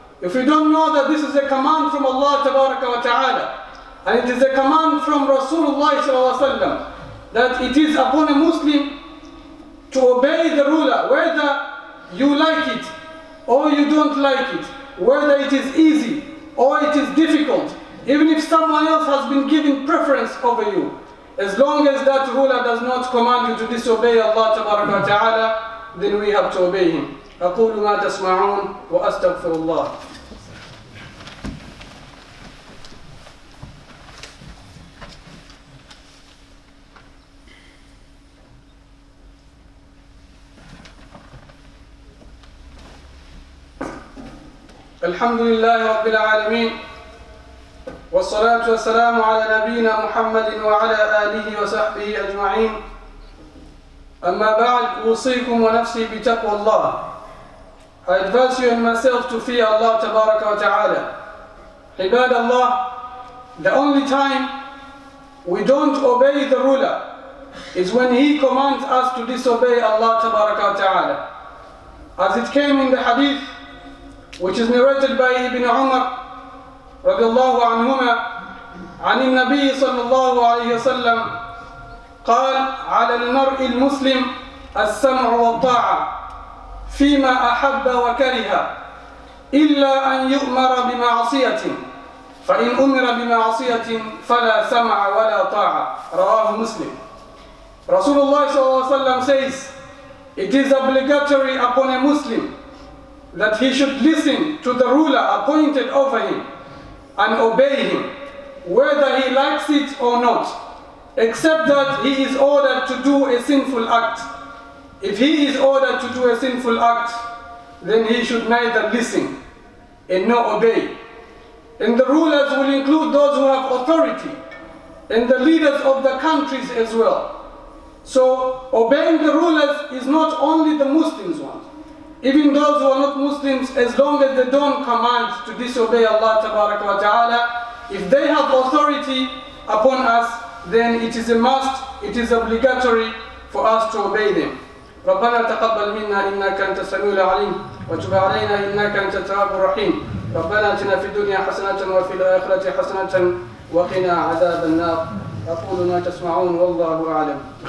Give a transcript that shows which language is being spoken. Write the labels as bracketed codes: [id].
[en] If you don't know that this is a command from Allah Tabaraka wa Ta'ala, and it is a command from Rasulullah Sallallahu Alaihi Wasallam, that it is upon a Muslim to obey the ruler, whether you like it or you don't like it, whether it is easy or it is difficult, even if someone else has been given preference over you, as long as that ruler does not command you to disobey Allah Tabaraka wa Ta'ala, then we have to obey him. [ar] أقول ما تسمعون وأستغفر الله. الحمد لله رب العالمين والصلاة والسلام على نبينا محمد وعلى آله وصحبه أجمعين. أما بعد أوصيكم ونفسي بتقوى الله. [en] I advise you and myself to fear Allah Tabaraka wa Ta'ala. Ibadallah, the only time we don't obey the ruler is when he commands us to disobey Allah Tabaraka wa Ta'ala. As it came in the hadith, which is narrated by Ibn Umar radiallahu anhuma, [ar] عن النبي صلى الله عليه وسلم قال على المرء المسلم السمع والطاعة فيما أحب وكره إلا أن يؤمر بمعصية فإن أمر بمعصية فلا سمع ولا طاعة. رواه مسلم. رسول الله صلى الله عليه وسلم [en] says, it is obligatory upon a Muslim that he should listen to the ruler appointed over him and obey him, whether he likes it or not, except that he is ordered to do a sinful act. If he is ordered to do a sinful act, then he should neither listen and nor obey. And the rulers will include those who have authority and the leaders of the countries as well. So obeying the rulers is not only the Muslims' one. Even those who are not Muslims, as long as they don't command to disobey Allah Tabaraka wa Ta'ala, if they have authority upon us, then it is a must, it is obligatory for us to obey them. [ar] ربنا تقبل منا إنك أنت السميع العليم وتب علينا إنك أنت التواب الرحيم ربنا آتنا في الدنيا حسنة وفي الآخرة حسنة وقنا عذاب النار أقول ما تسمعون والله أعلم.